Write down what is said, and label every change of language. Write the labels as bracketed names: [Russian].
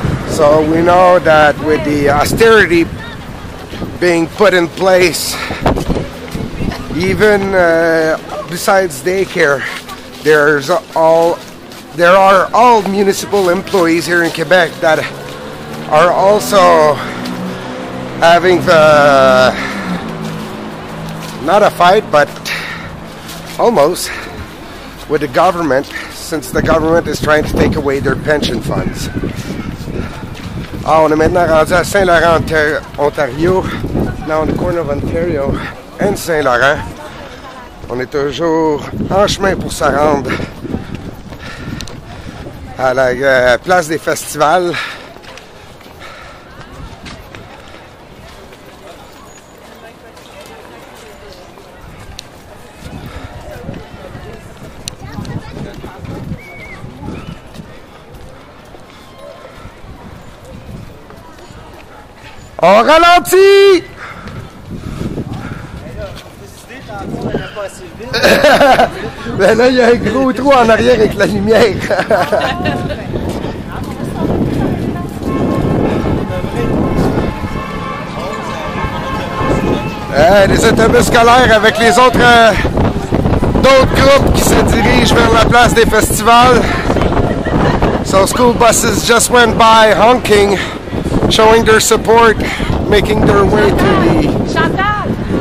[English] So we know that with the austerity being put in place, even besides daycare, there are all municipal employees here in Quebec that are also having the, not a fight, but almost, with the government, since the government is trying to take away their pension funds. [French] Ah, on est maintenant rendu à Saint-Laurent, Ontario. Là, on est [English] corner of Ontario and Saint-Laurent. [French] On est toujours en chemin pour se rendre à la place des festivals. On ralentit! Mais là, il y a un gros trou en arrière avec la lumière. Les autobus scolaires avec les autres d'autres groupes qui se dirigent vers la place des festivals. [English] So school buses just went by honking, showing their support, making their way to the...